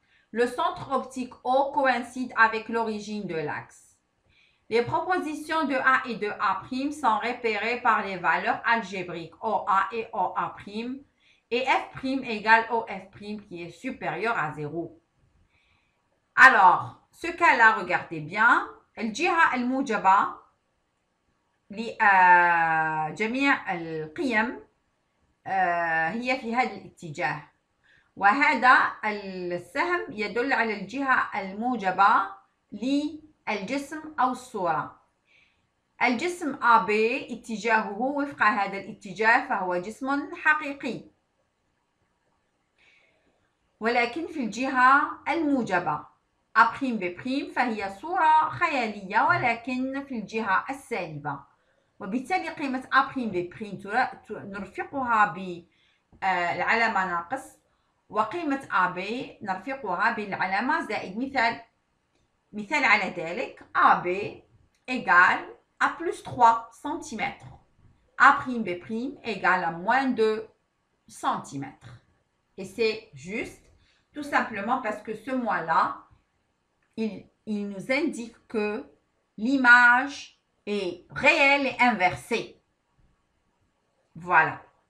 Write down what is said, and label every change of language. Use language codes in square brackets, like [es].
[fr] Le centre optique O coïncide avec l'origine de l'axe. Les propositions de A et de A' sont repérées par les valeurs algébriques OA et OA' et F' égale OF' qui est supérieur à 0. Alors, ce cas-là, regardez bien. [ar] الجهة الموجبة لجميع القيم هي في هذا الاتجاه. وهذا السهم يدل على الجهة الموجبة للجسم أو الصورة. الجسم AB اتجاهه وفق هذا الاتجاه فهو جسم حقيقي. ولكن في الجهة الموجبة A' B' فهي صورة خيالية ولكن في الجهة السالبة. وبالتالي قيمة A' B' نرفقها بالعلامة ناقص وقيمة AB نرفقها بالعلامة زائد. مثال على ذلك [fr] AB égale A plus 3 cm. A' B' égale à moins 2 cm. Et c'est juste tout simplement parce que ce mois-là, il nous indique que l'image est réelle et inversée. Voilà.